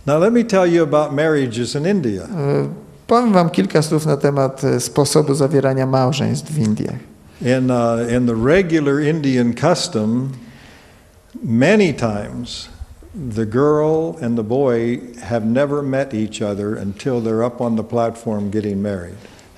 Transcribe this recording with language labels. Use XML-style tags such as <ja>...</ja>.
<en>Now let me tell you about marriages in India.</en> <pl>Powiem wam kilka słów na temat sposobu zawierania małżeństw w Indiach.</pl> <en>In the regular Indian custom, many times the girl and the boy have never met each other until they're up on the platform getting married.</en>